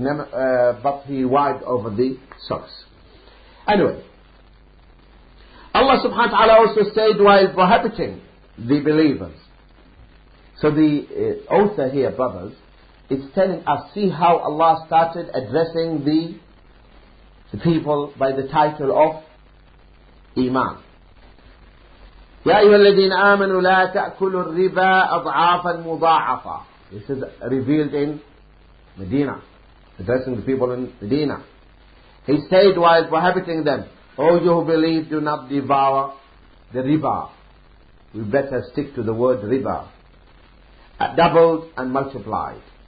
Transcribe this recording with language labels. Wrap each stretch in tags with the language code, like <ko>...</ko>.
<en>But he wiped over the socks. Anyway, Allah subhanahu wa ta'ala also said while prohibiting the believers. So the author here, brothers, is telling us, see how Allah started addressing the people by the title of Iman.</en> <ar>يا أيها الذين آمنوا لا تأكلوا الربا أضعافا مضاعفة.</ar> <en>This is revealed in Medina, addressing the people in Medina. He said while prohibiting them, oh you who believe, do not devour the riba. We better stick to the word riba. Doubled and multiplied.</en>